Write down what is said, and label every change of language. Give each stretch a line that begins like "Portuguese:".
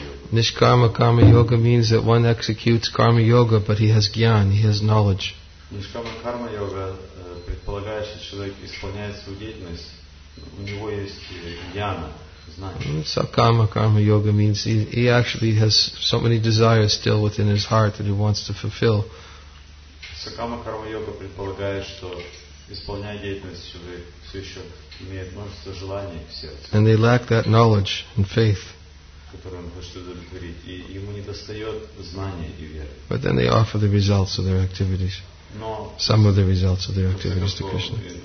English: Nishkarma karma yoga means that one executes karma yoga, but he has gyan, he has knowledge.
Russian: Нишкама карма йога предполагает, что человек исполняет свою деятельность, у него есть гьяна, знание.
English: Сакама карма йога means he actually has so many desires still within his heart that he wants to fulfill.
Russian: Сакама карма йога предполагает, что исполняя деятельность, человек все еще имеет множество желаний в сердце.
English: And they lack that knowledge and faith.
Russian: Которым хочет удовлетворить, и ему не достает знания и веры.
English: But then they offer the results of their activities. some of the results of their activities to Krishna.